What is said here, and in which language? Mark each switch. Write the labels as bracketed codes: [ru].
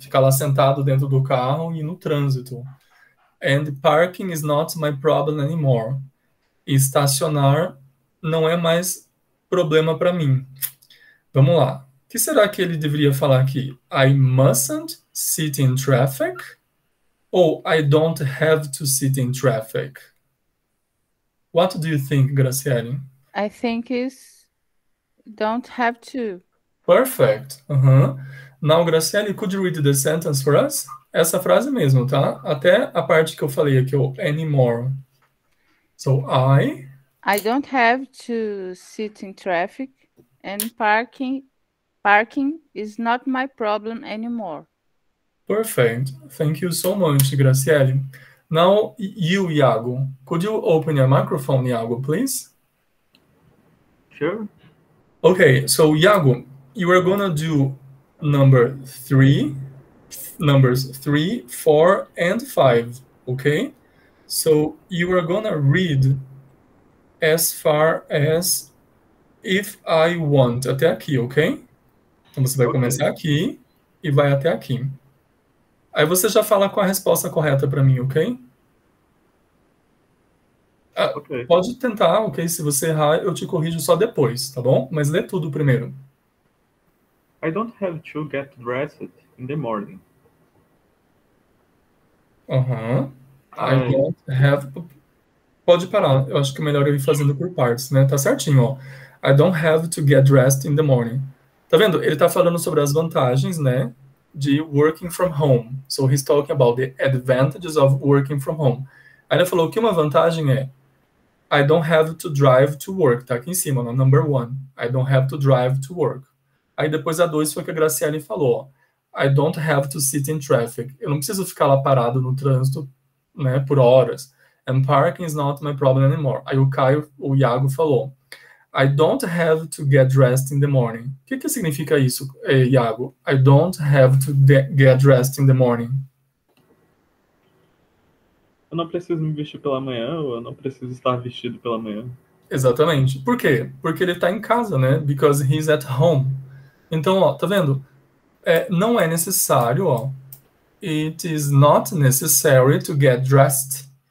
[pt] Ficar lá sentado dentro do carro e no trânsito. [en] And parking is not my problem anymore. [pt] E estacionar não é mais problema para mim. Vamos lá. O que será que ele deveria falar aqui? [en] I mustn't sit in traffic? Ou I don't have to sit in traffic? What do you think, Graciele? I think it's don't have to. Perfect. Uh-huh. Now, Graciele, could you read the sentence for us? [pt] Essa frase mesmo, tá? Até a parte que eu falei aqui, o anymore. [en] So, I don't have to sit in traffic and parking is not my problem anymore. Perfect. Thank you so much, Graciele. Now, you, Iago, could you open your microphone, Iago, please? Sure. Okay, so, Iago, you are going to do number three, numbers three, four, and five, okay? So, you are going to read as far as if I want, [pt] até aqui, [en] okay? [pt] Então, você vai começar aqui e vai até aqui. Aí você já fala com a resposta correta para mim, ok? [en] Okay. [pt] Pode tentar, ok? Se você errar, eu te corrijo só depois, tá bom? Mas lê tudo primeiro. [en] I don't have to get dressed in the morning. Uhum. I don't have... [pt] Pode parar, eu acho que é melhor eu ir fazendo por partes, né? Tá certinho, ó. [en] I don't have to get dressed in the morning. [pt] Tá vendo? Ele tá falando sobre as vantagens, né? [en] De working from home. So he's talking about the advantages of working from home. [pt] Aí ele falou que uma vantagem é [en] I don't have to drive to work. [pt] Tá aqui em cima, no [en] number one. I don't have to drive to work. [pt] Aí depois a dois foi que a Graciele falou. [en] I don't have to sit in traffic. [pt] Eu não preciso ficar lá parado no trânsito, né, por horas. [en] And parking is not my problem anymore. [pt] Aí o Iago falou. [en] I don't have to get dressed in the morning. [pt] O que, que significa isso, [en] Iago? I don't have to get dressed in the morning. [pt] Eu não preciso me vestir pela manhã ou eu não preciso estar vestido pela manhã. Exatamente. Por quê? Porque ele está em casa, né? [en] Because he's at home. [pt] Então, ó, tá vendo? Não é necessário, ó. [en] It is not necessary to get dressed.